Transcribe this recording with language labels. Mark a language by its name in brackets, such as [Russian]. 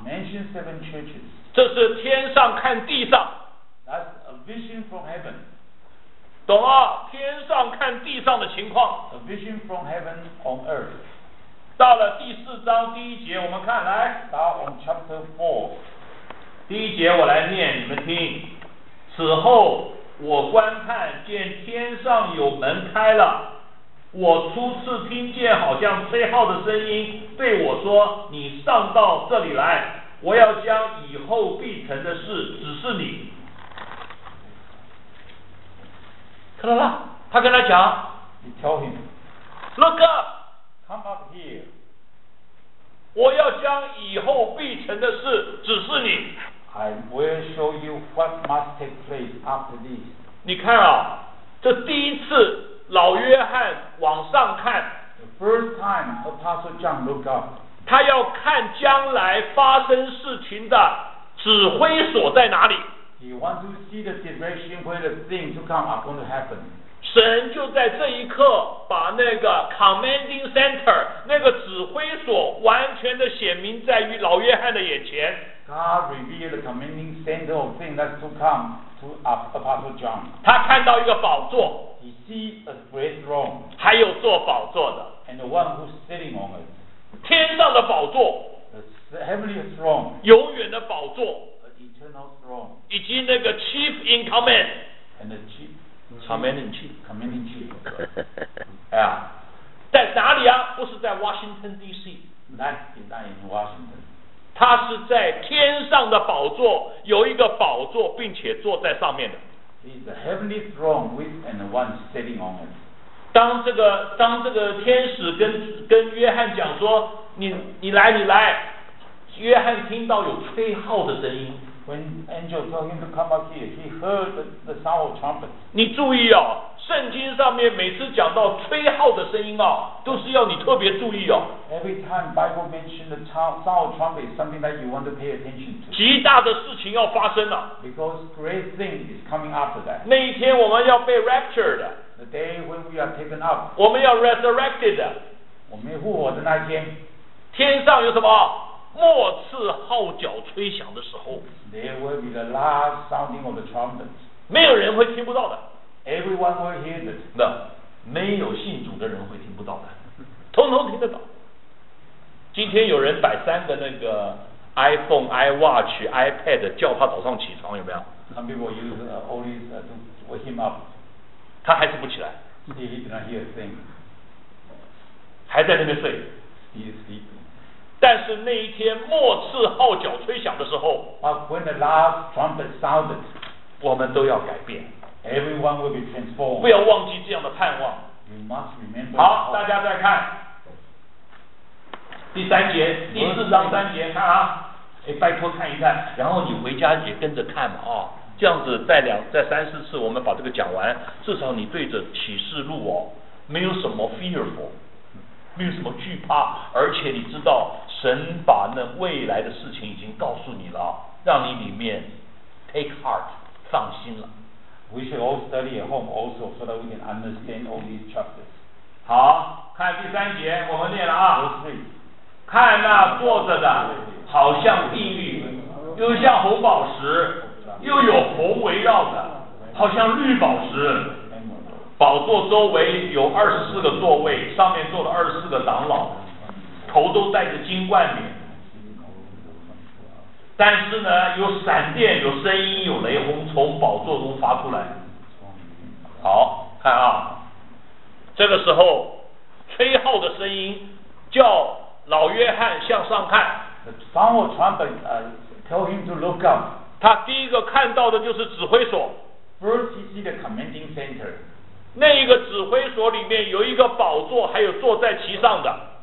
[English] mention seven churches [Chinese] 这是天上看地上 [English] That's a vision from heaven [Chinese] 懂啊天上看地上的情况 [English] A vision from heaven on earth [Chinese] 到了第四章第一节我们看来 [English] Start on chapter 4 [Chinese] 第一节我来念你们听此后我观看见天上有门开了我初次听见好像吹号的声音对我说你上到这里来我要将以后必成的事指示你看到了他跟他讲 [English] You tell him Look up Come up here [Chinese] 我要将以后必成的事指示你 [English] I will show you what must take place after this [Chinese] 你看啊这第一次老约翰往上看 [English] The first time Apostle John look up [Chinese] 他要看将来发生事情的指挥所在哪里。 [English] He wants to see the direction where the things to come are going to happen. [Chinese] 神就在这一刻把那个 [English] commanding center [Chinese] 那个指挥所完全的显明在于老约翰的眼前。 [English] God revealed the commanding center of things that's to come to Apostle John. [Chinese] 他看到一个宝座。 [English] He sees a great throne. [Chinese] 还有坐宝座的。 [English] And the one who's sitting on it. [Chinese] 天上的宝座 [English] the heavenly throne, [Chinese] 永远的宝座 [English] the eternal throne, [Chinese] 以及那个 [English] chief in command and the chief, commanding chief [Chinese] 在哪里啊不是在 Washington DC [English] That is not in Washington [Chinese] 他是在天上的宝座有一个宝座并且坐在上面的 [English] It's the heavenly throne with and one sitting on it [Chinese] 当这个天使跟约翰讲说，你来，约翰听到有吹号的声音。 [English] When angel told him to come up here, he heard the sound of trumpet. [Chinese] 你注意哦，圣经上面每次讲到吹号的声音哦，都是要你特别注意哦。 [English] Every time Bible mentioned the sound of trumpet, something that you want to pay attention to. [Chinese] 极大的事情要发生了。 [English] Because great thing is coming after that. [Chinese] 那一天我们要被 [English] raptured. The day when we are taken up. [Chinese] 我们要 [English] resurrected. [Chinese] 我们复活的那一天。天上有什么？末次号角吹响的时候 [English] ，There will be the last sounding of the trumpets. [Chinese] 没有人会听不到的。 [English] Everyone will hear it. [Chinese] 那没有信主的人会听不到的，通通听得到。今天有人摆三个那个 iPhone、iWatch、iPad， 叫他早上起床，有没有 [English] ？Some people use all these to wake him up. [Chinese] 他还是不起来。 [English] He did not hear a thing. [Chinese] 还在那边睡。 [English] He is sleeping. [Chinese] 但是那一天末次号角吹响的时候 [English] when the last trumpet sounded, [Chinese] 我们都要改变 [English] Everyone will be transformed. [Chinese] 不要忘记这样的盼望 [English] you must remember [Chinese] 好大家再看第三节第四章三节看啊、哎、拜托看一看然后你回家也跟着看嘛、哦、这样子再三四次我们把这个讲完至少你对着启示录、哦、没有什么 [English] fearful [Chinese] 没有什么惧怕而且你知道神把那未来的事情已经告诉你了让你里面 [English] take heart [Chinese] 放心了 [English] We should all study at home also so that we can understand all these chapters [Chinese] 好看第三节我们念了啊看那坐着的好像碧绿又像红宝石又有红围绕的好像绿宝石宝座周围有24个座位，上面坐了24个长老，头都戴着金冠冕。但是呢，有闪电，有声音，有雷轰从宝座中发出来。好，看啊，这个时候吹号的声音叫老约翰向上看。 [English] The sound of trumpet, tell him to look up. [Chinese] 他第一个看到的就是指挥所。 [English] First, he sees the commanding center. [Chinese] 那一个指挥所里面有一个宝座，还有坐在其上的。